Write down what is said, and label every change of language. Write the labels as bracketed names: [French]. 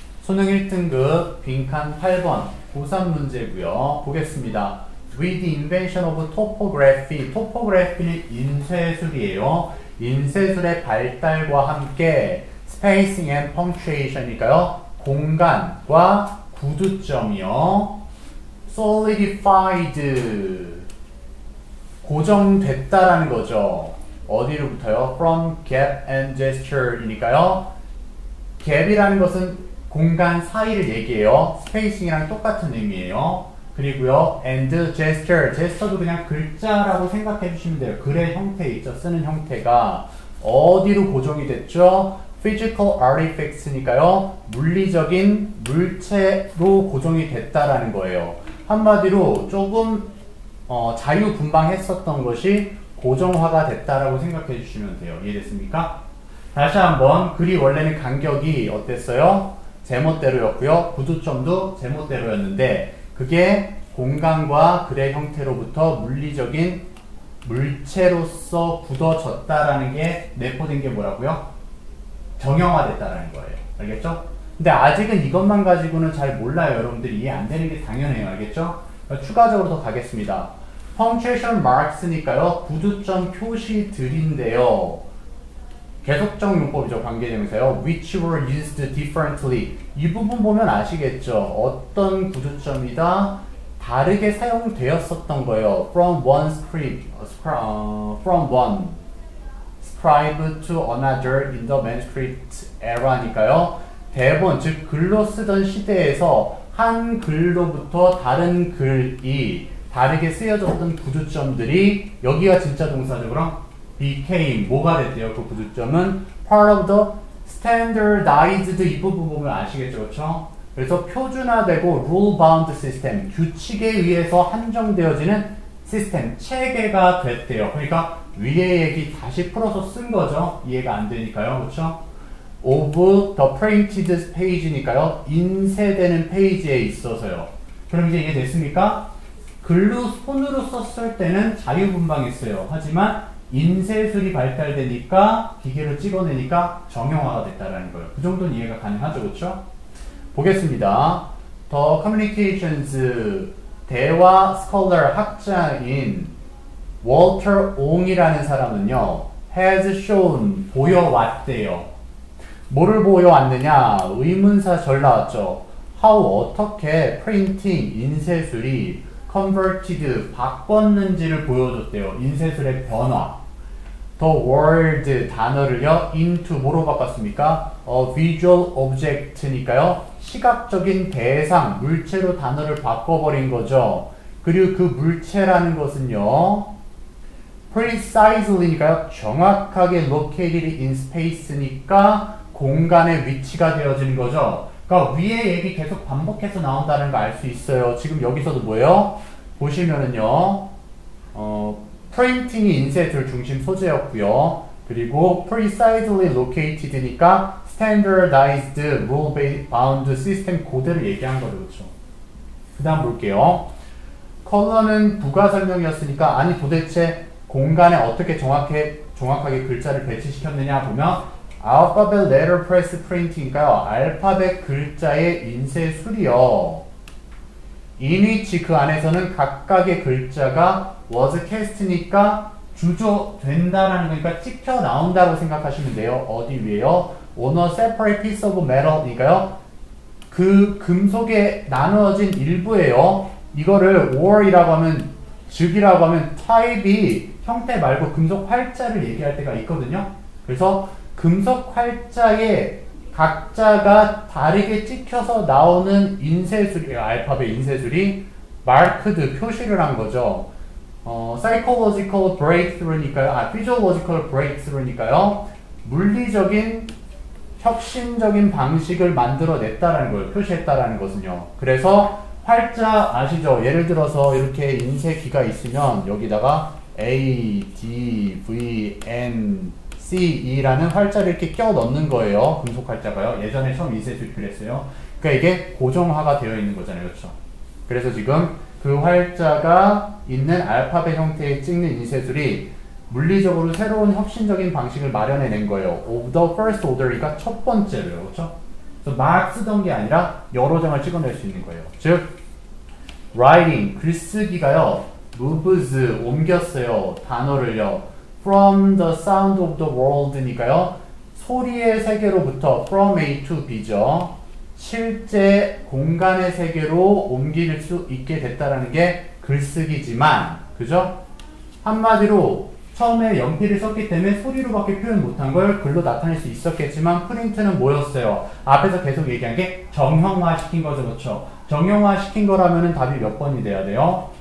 [Korean] 수능 1등급 빈칸 8번 고3 문제고요. 보겠습니다. [English] With the invention of topography. [Korean] Topography는 인쇄술이에요. 인쇄술의 발달과 함께 [English] spacing and punctuation [Korean] 이니까요. 공간과 구두점이요. [English] solidified. [Korean] 고정됐다라는 거죠. 어디로부터요? [English] From gap and gesture이니까요. [Korean] gap이라는 것은 공간 사이를 얘기해요. spacing이랑 똑같은 의미예요. 그리고요, [English] and gesture. [Korean] gesture도 그냥 글자라고 생각해 주시면 돼요. 글의 형태 있죠. 쓰는 형태가. 어디로 고정이 됐죠? [English] physical artifacts니까요. [Korean] 물리적인 물체로 고정이 됐다라는 거예요. 한마디로 조금 자유분방했었던 것이 고정화가 됐다라고 생각해 주시면 돼요. 이해됐습니까? 다시 한번, 글이 원래는 간격이 어땠어요? 제멋대로였고요. 구두점도 제멋대로였는데 그게 공간과 글의 형태로부터 물리적인 물체로서 굳어졌다라는 게 내포된 게 뭐라고요? 정형화됐다라는 거예요. 알겠죠? 근데 아직은 이것만 가지고는 잘 몰라요. 여러분들이 이해 안 되는 게 당연해요. 알겠죠? 추가적으로 더 가겠습니다. [English] Punctuation marks니까요. [Korean] 구두점 표시들인데요. 계속적 용법이죠. 관계대명사요. [English] Which were used differently. [Korean] 이 부분 보면 아시겠죠. 어떤 구두점이다 다르게 사용되었었던 거예요. [English] From one script, from one scribe to another in the manuscript era니까요. [Korean] 대본, 즉 글로 쓰던 시대에서 한 글로부터 다른 글이 다르게 쓰여졌던 구두점들이 여기가 진짜 동사죠. 그럼 became 뭐가 됐대요? 그 구두점은 [English] part of the standardized [Korean] 이 부분 보면 아시겠죠? 그렇죠? 그래서 표준화되고 [English] rule-bound system [Korean] 규칙에 의해서 한정되어지는 시스템 체계가 됐대요. 그러니까 위에 얘기 다시 풀어서 쓴 거죠. 이해가 안 되니까요. 그렇죠? [English] of the printed page니까요. [Korean] 인쇄되는 페이지에 있어서요. 그럼 이제 이해 됐습니까? 글로 손으로 썼을 때는 자유분방했어요. 하지만 인쇄술이 발달되니까 기계로 찍어내니까 정형화가 됐다라는 거예요. 그 정도는 이해가 가능하죠. 그렇죠? 보겠습니다. [English] The communications [Korean] 대화 [English] scholar [Korean] 학자인 Walter Ong이라는 사람은요. [English] has shown [Korean] 보여왔대요. 뭐를 보여왔느냐? 의문사 절 나왔죠. How 어떻게 프린팅 인쇄술이 converted 바꿨는지를 보여줬대요. 인쇄술의 변화. [English] The world [Korean] 단어를요. into 뭐로 바꿨습니까? [English] A visual object니까요. [Korean] 시각적인 대상, 물체로 단어를 바꿔버린 거죠. 그리고 그 물체라는 것은요. precisely니까요. 정확하게 [English] located in space [Korean] 니까 공간의 위치가 되어지는 거죠. 그러니까 위에 얘기 계속 반복해서 나온다는 거 알 수 있어요. 지금 여기서도 뭐예요? 보시면은요. 프린팅이 인쇄술 중심 소재였고요. 그리고 [English] precisely located [Korean] 니까 [English] standardized rule bound system [Korean] 고대를 얘기한 거죠. 그렇죠? 그 다음 볼게요. 컬러는 부가 설명이었으니까 아니 도대체 공간에 어떻게 정확하게 글자를 배치시켰느냐 보면 [English] alphabet letter press print [Korean] 인가요? 알파벳 글자의 인쇄술이요. [English] in which [Korean] 그 안에서는 각각의 글자가 [English] was cast [Korean] 니까 주조된다라는 거니까 찍혀 나온다고 생각하시면 돼요. 어디 위에요? [English] on a separate piece of metal니까요. [Korean] 그 금속에 나누어진 일부예요. 이거를 or이라고 하면 즉이라고 하면 [English] type [Korean] 이 형태 말고 금속 활자를 얘기할 때가 있거든요. 그래서 금속 활자에 각자가 다르게 찍혀서 나오는 인쇄술이에요. 알파벳 인쇄술이 marked 표시를 한 거죠. [English] psychological breakthrough니까요. physiological breakthrough니까요. [Korean] 물리적인 혁신적인 방식을 만들어냈다라는 거예요. 표시했다라는 것은요. 그래서 활자 아시죠? 예를 들어서 이렇게 인쇄기가 있으면 여기다가 A, D, V, N, C, E라는 활자를 이렇게 껴 넣는 거예요. 금속 활자가요. 예전에 처음 인쇄술 필요했어요. 그러니까 이게 고정화가 되어 있는 거잖아요. 그렇죠? 그래서 지금 그 활자가 있는 알파벳 형태의 찍는 인쇄술이 물리적으로 새로운 혁신적인 방식을 마련해낸 거예요. [English] Of the first order, [Korean] 그러니까 첫 번째로요. 그렇죠? 그래서 막 쓰던 게 아니라 여러 장을 찍어낼 수 있는 거예요. [English] 즉, writing, [Korean] 글쓰기가요, [English] moves, [Korean] 옮겼어요, 단어를요, [English] from the sound of the world니까요, [Korean] 소리의 세계로부터 [English] from A to B죠. [Korean] 실제 공간의 세계로 옮길 수 있게 됐다라는 게 글쓰기지만, 그죠? 한마디로 처음에 연필을 썼기 때문에 소리로밖에 표현 못한 걸 글로 나타낼 수 있었겠지만 프린트는 뭐였어요? 앞에서 계속 얘기한 게 정형화 시킨 거죠. 그렇죠? 정형화 시킨 거라면 답이 몇 번이 돼야 돼요?